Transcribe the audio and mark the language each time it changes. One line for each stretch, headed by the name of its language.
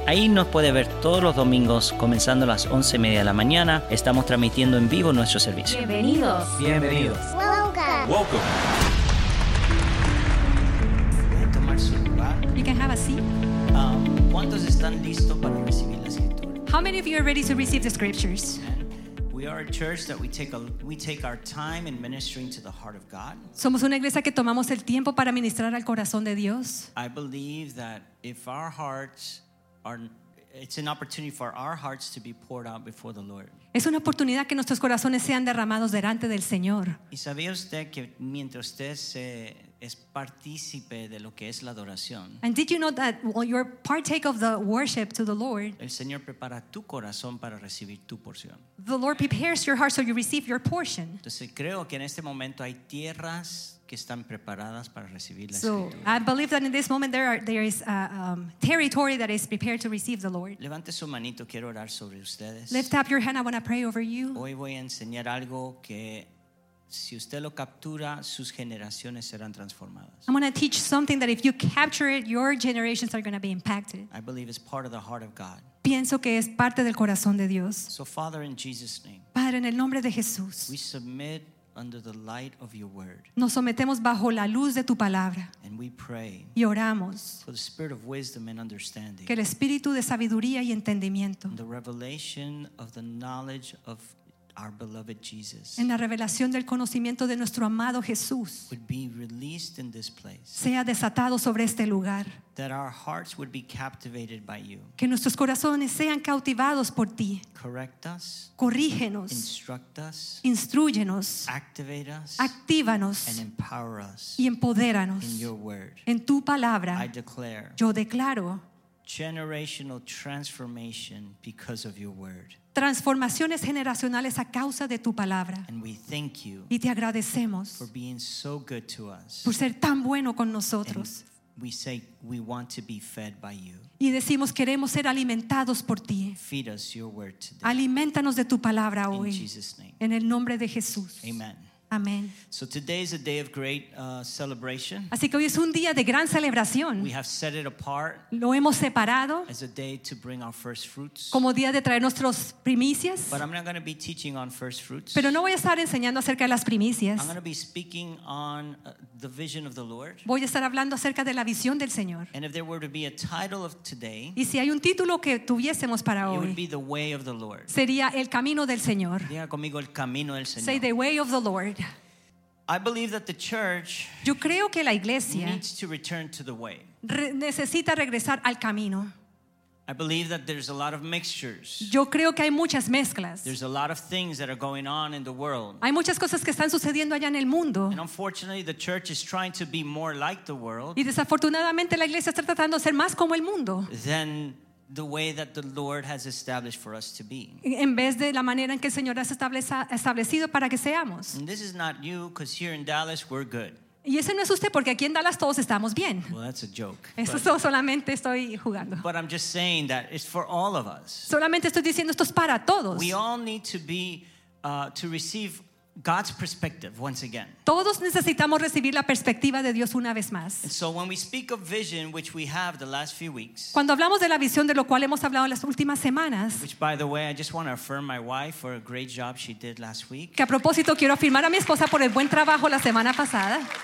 Spanish: Ahí nos puede ver todos los domingos comenzando a las 11:30 de la mañana. Estamos transmitiendo en vivo nuestro servicio. Bienvenidos.
English: Welcome. Welcome.
Spanish: ¿Pueden tomar su lugar?
English: You can have a seat.
Spanish: ¿Cuántos están listos para recibir la escritura?
English: How many of you are ready to receive the scriptures? We are a church that we take our time in ministering to the heart of God.
Spanish: Somos una iglesia que tomamos el tiempo para ministrar al corazón de Dios.
English: I believe that if our hearts are, it's an opportunity for our hearts to be poured out before the Lord.
Spanish: Es una oportunidad que nuestros corazones sean derramados delante del Señor. ¿Y sabía usted que mientras usted se es partícipe de lo que es la adoración?
English: And did you know that while you're partake of the worship to the Lord,
Spanish: el Señor prepara tu corazón para recibir tu porción.
English: The Lord prepares your heart so you receive your portion.
Spanish: Entonces creo que en este momento hay tierras que están preparadas para recibir la escritura.
English: So I believe that in this moment there is territory that is prepared to receive the Lord.
Spanish: Levante su manito, quiero orar sobre ustedes.
English: Lift up your hand, I want to pray over you.
Spanish: Hoy voy a enseñar algo que si usted lo captura, sus generaciones serán transformadas.
English: I'm going to teach something that if you capture it, your generations are going to be impacted. I believe it's part of the heart of God.
Spanish: Pienso que es parte del corazón de Dios.
English: So Father, in Jesus' name.
Spanish: Padre, en el nombre de Jesús.
English: We submit under the light of your word.
Spanish: Nos sometemos bajo la luz de tu palabra.
English: And we pray.
Spanish: Y oramos.
English: For the spirit of wisdom and understanding.
Spanish: Que el espíritu de sabiduría y entendimiento.
English: The revelation of the knowledge of our beloved Jesus.
Spanish: En la revelación del conocimiento de nuestro amado Jesús.
English: Would be released in this place.
Spanish: Sea desatado sobre este lugar.
English: That our hearts would be captivated by you.
Spanish: Que nuestros corazones sean cautivados por ti.
English: Correct us.
Spanish: Corrígenos.
English: Instruct us.
Spanish: Instrúyenos.
English: Activate us.
Spanish: Actívanos.
English: And empower us.
Spanish: Y empodéranos.
English: In your word.
Spanish: En tu palabra.
English: I declare.
Spanish: Yo declaro.
English: Generational transformation because of your word.
Spanish: Transformaciones generacionales a causa de tu palabra.
English: And we thank you.
Spanish: Y te agradecemos.
English: For being so good to us.
Spanish: Por ser tan bueno con nosotros.
English: And we say we want to be fed by you.
Spanish: Y decimos queremos ser alimentados por ti.
English: Feed us your word today.
Spanish: Aliméntanos de tu palabra hoy.
English: In Jesus' name.
Spanish: En el nombre de Jesús.
English: Amen.
Spanish: Amen.
English: So today is a day of great celebration.
Spanish: Así que hoy es un día de gran celebración.
English: We have set it apart.
Spanish: Lo hemos separado.
English: As a day to bring our first fruits.
Spanish: Como día de traer nuestros primicias.
English: But I'm not going to be teaching on first fruits.
Spanish: Pero no voy a estar enseñando acerca de las primicias.
English: I'm going to be speaking on the vision of the Lord.
Spanish: Voy a estar hablando acerca de la visión del Señor.
English: And if there were to be a title of today.
Spanish: Y si hay un título que tuviésemos para hoy.
English: It would be the way of the Lord.
Spanish: Sería el camino del Señor. Diga conmigo el camino del Señor.
English: Say the way of the Lord. I believe that the church,
Spanish: yo creo que la iglesia,
English: needs to return to the way.
Spanish: Necesita regresar al camino.
English: I believe that there's a lot of mixtures.
Spanish: Yo creo que hay muchas mezclas.
English: There's a lot of things that are going on in the world.
Spanish: Hay muchas cosas que están sucediendo allá en el mundo.
English: And unfortunately, the church is trying to be more like the world.
Spanish: Y desafortunadamente, la iglesia está tratando de ser más como el mundo.
English: Then the way that the Lord has established for us to be.
Spanish: En vez de la manera en que el Señor has establecido para que seamos.
English: And this is not you, because here in Dallas we're good.
Spanish: Y ese no es usted, porque aquí en Dallas todos estamos bien.
English: Well, that's a joke.
Spanish: Eso es, solamente estoy jugando.
English: But I'm just saying that it's for all of us.
Spanish: Solamente estoy diciendo esto es para todos.
English: We all need to be to receive God's perspective once again.
Spanish: Todos necesitamos recibir la perspectiva de Dios una vez más.
English: And so when we speak of vision, which we have the last few weeks.
Spanish: Cuando hablamos de la visión de lo cual hemos hablado las últimas semanas.
English: Which, by the way, I just want to affirm my wife for a great job she did last week.
Spanish: Que a propósito quiero afirmar a mi esposa por el buen trabajo la semana pasada.